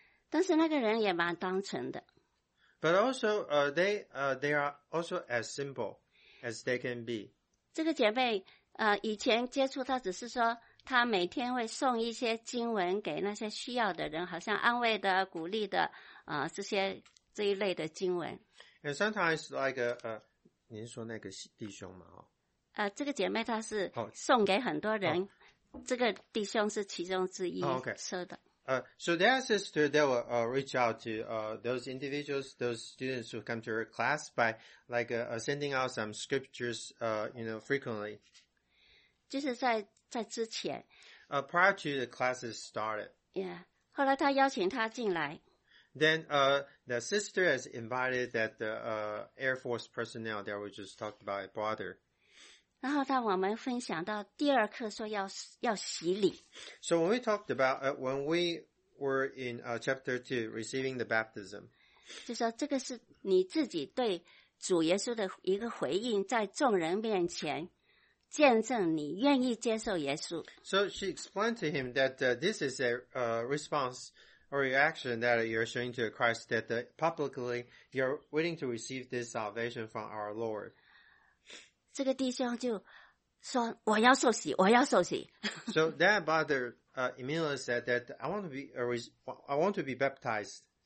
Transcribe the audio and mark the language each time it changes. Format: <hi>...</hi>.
<zh>但是那个人也蛮单纯的。</zh> <en>But also, they are also as simple as they can be.</en> <zh>这个姐妹，以前接触她只是说，她每天会送一些经文给那些需要的人，好像安慰的、鼓励的，这一类的经文。</zh> <en>And sometimes, like</en> <zh>您说那个弟兄吗？这个姐妹她是送给很多人，这个弟兄是其中之一收的。</zh> <en>So their sister, they will reach out to those individuals, those students who come to her class by like sending out some scriptures, frequently.</en> <zh>就是在之前。</zh> <en>Prior to the classes started.</en> <zh>Yeah. 后来她邀请她进来。</zh> <en>Then, the sister has invited that the, Air Force personnel that we just talked about, a brother.</en> <zh>然后当我们分享到第二课说要洗礼。</zh> <en>So when we talked about, when we were in, chapter 2, receiving the baptism.</en> <zh>就说这个是你自己对主耶稣的一个回应，在众人面前见证你愿意接受耶稣。</zh> <en>So she explained to him that, this is a, response or reaction that you're showing to Christ that publicly you're waiting to receive this salvation from our Lord.</en> <zh>这个弟兄就说我要受洗，我要受洗。</zh> <en>So that brother immediately said that I want to be baptized.</en>